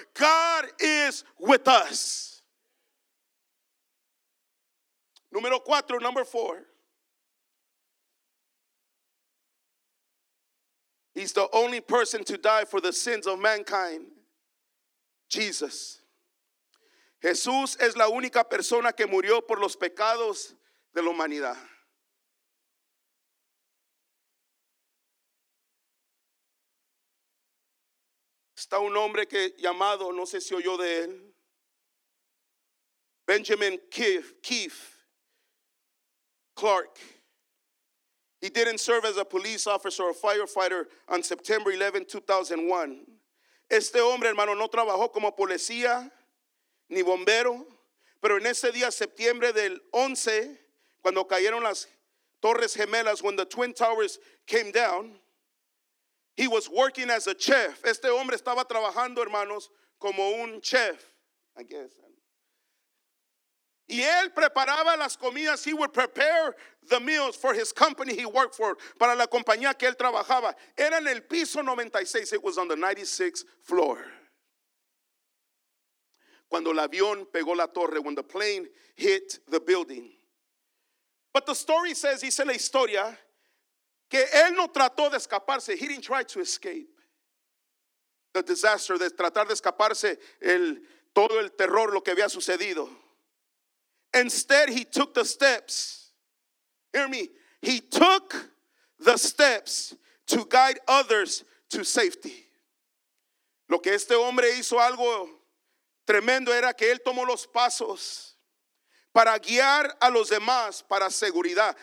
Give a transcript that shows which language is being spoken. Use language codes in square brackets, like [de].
[en] God is with us. [es] Número cuatro, [en] number four. He's the only person to die for the sins of mankind. Jesus. [es] Jesús es la única persona que murió por los pecados de la humanidad. Está un hombre que llamado, no sé si oyó de él, Benjamin Keith Clark. [en] He didn't serve as a police officer or firefighter on September 11, 2001. [es] Este hombre, hermano, no trabajó como policía ni bombero, pero en ese día, septiembre del 11, cuando cayeron las Torres Gemelas, [en] when the Twin Towers came down, he was working as a chef. [es] Este hombre estaba trabajando, hermanos, como un chef, [en] I guess. [es] Y él preparaba las comidas. [en] He would prepare the meals for his company he worked for, [es] para la compañía que él trabajaba. Era en el piso 96. [en] It was on the 96th floor. [es] Cuando el avión pegó la torre, [en] when the plane hit the building. But the story says, [es] dice la historia, que él no trató de escaparse. [en] He didn't try to escape the disaster, [es] de tratar de escaparse el todo el terror, lo que había sucedido. [en] Instead, he took the steps. Hear me. He took the steps to guide others to safety. [es] Lo que este hombre hizo algo tremendo era que él tomó los pasos para guiar a los demás para seguridad.